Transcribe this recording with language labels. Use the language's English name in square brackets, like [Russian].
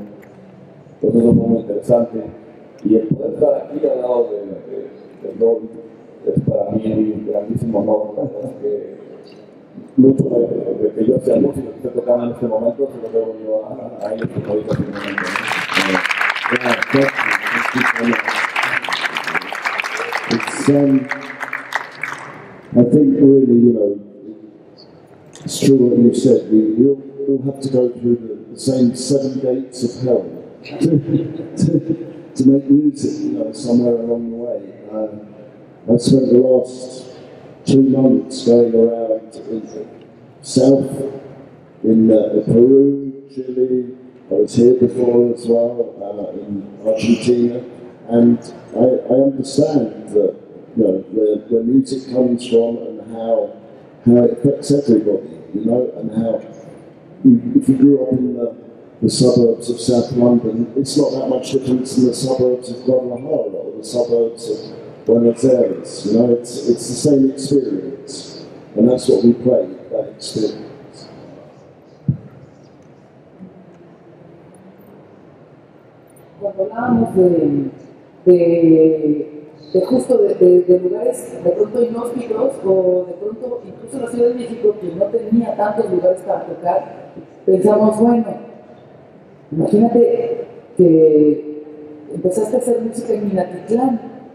[Spanish] Entonces, eso fue muy interesante. Y el poder estar aquí al lado de Dolly es para mí un grandísimo honor. Mucho de que yo sea músico que esté tocando en este momento, se lo debo yo a ellos que lo dicen en este momento. [English] I think really, you know, it's true what you said. We'll have to go through the same seven gates of hell to make music, you know, somewhere along the way. I spent the last 2 months going around in the south, in Peru, Chile. I was here before as well, in Argentina. And I understand that, you know, where music comes from and how it affects everybody, you know, and how if you grew up in the suburbs of South London, it's not that much different than the suburbs of Guadalajara or the suburbs of when it's theirs. You know, it's the same experience, and that's what we play, that experience. [Spanish] Cuando hablábamos de justo de lugares de pronto inhóspitos o de pronto incluso la Ciudad de México que no tenía tantos lugares para tocar, pensamos, bueno, imagínate que empezaste a hacer música en Minatitlán.